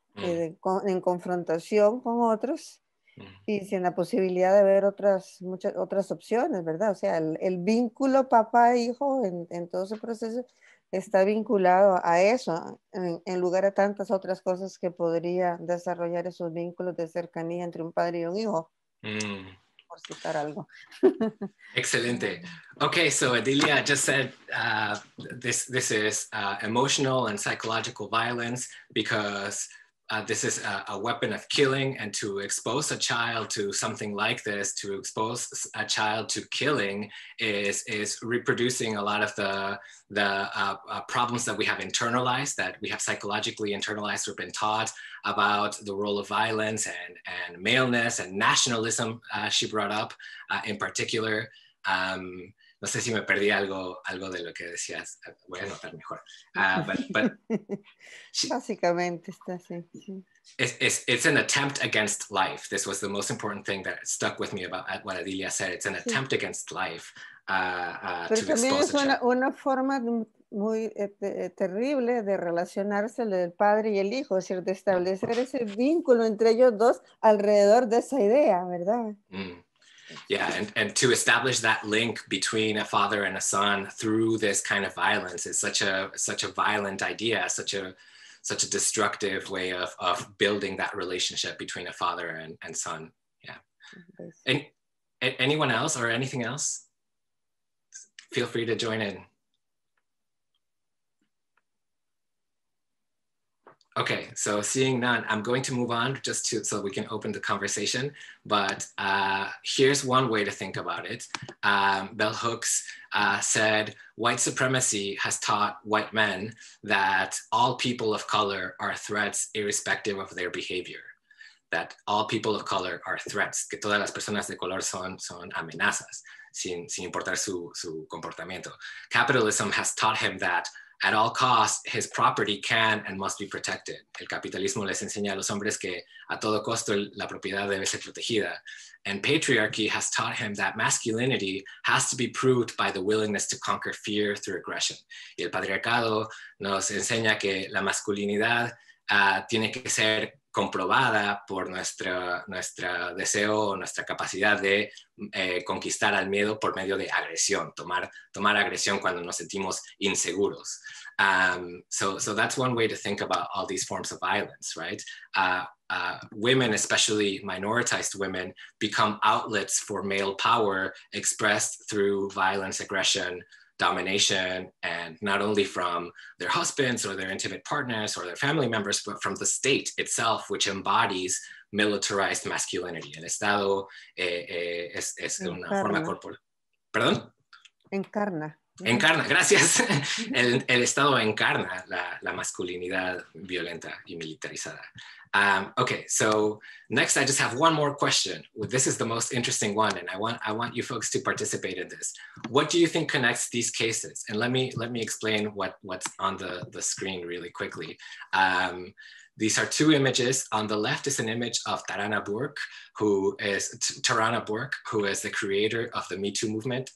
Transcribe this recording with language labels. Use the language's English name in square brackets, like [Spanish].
[Spanish] En confrontación con otros y sin la posibilidad de ver otras, muchas otras opciones, ¿verdad? O sea, el vínculo papá-hijo en todo ese proceso está vinculado a eso, en lugar a tantas otras cosas que podría desarrollar esos vínculos de cercanía entre un padre y un hijo. Por citar algo. Excelente. [English] Okay, so Adelia just said this is emotional and psychological violence because this is a weapon of killing, and to expose a child to something like this, to expose a child to killing, is reproducing a lot of the problems that we have internalized, that we have psychologically internalized, or been taught about the role of violence and maleness and nationalism, she brought up in particular. [Spanish] No sé si me perdí algo de lo que decías. Voy a anotar mejor. But básicamente está así. [English] It's an attempt against life. This was the most important thing that stuck with me about what Adelia said. It's an attempt against life. [Spanish] Pero también es una forma muy terrible de relacionarse el padre y el hijo, es decir, de establecer ese vínculo entre ellos dos alrededor de esa idea, ¿verdad? [English] Yeah, and to establish that link between a father and a son through this kind of violence is such a violent idea, such a destructive way of building that relationship between a father and son. Yeah. And anyone else or anything else? Feel free to join in. Okay, so seeing none, I'm going to move on just to so we can open the conversation. But here's one way to think about it. Bell Hooks said, white supremacy has taught white men that all people of color are threats irrespective of their behavior. That all people of color are threats. [Spanish] Que todas las personas de color son amenazas, sin importar su comportamiento. [English] Capitalism has taught him that at all costs, his property can and must be protected. [Spanish] El capitalismo les enseña a los hombres que a todo costo la propiedad debe ser protegida. [English] And patriarchy has taught him that masculinity has to be proved by the willingness to conquer fear through aggression. [Spanish] Y el patriarcado nos enseña que la masculinidad tiene que ser comprobada por nuestro deseo o nuestra capacidad de conquistar al miedo por medio de agresión, tomar agresión cuando nos sentimos inseguros. [English] So that's one way to think about all these forms of violence, right? Women, especially minoritized women, become outlets for male power expressed through violence, aggression, domination, and not only from their husbands or their intimate partners or their family members, but from the state itself, which embodies militarized masculinity. [Spanish] El Estado es una encarna. Forma corporal. Perdón? Encarna. Encarna, gracias. El Estado encarna la masculinidad violenta y militarizada. [English] Okay, so next I just have one more question. This is the most interesting one, and I want you folks to participate in this. What do you think connects these cases? And let me explain what's on the screen really quickly. These are two images. On the left is an image of Tarana Burke, who is the creator of the Me Too movement.